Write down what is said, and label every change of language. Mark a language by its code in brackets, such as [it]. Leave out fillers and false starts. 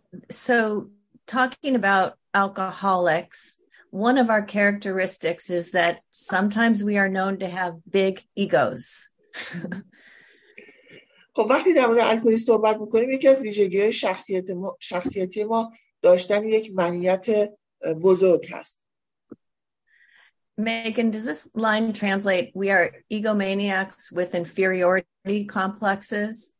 [en] So talking about alcoholics, one of our characteristics is that sometimes we are known to have big egos. [fa] خب وقتی در مورد الکلی صحبت می‌کنیم، یکی از ویژگی‌های شخصیتی ما داشتن یک منیت بزرگ است. [en] Megan, does this line translate, we are egomaniacs with inferiority complexes?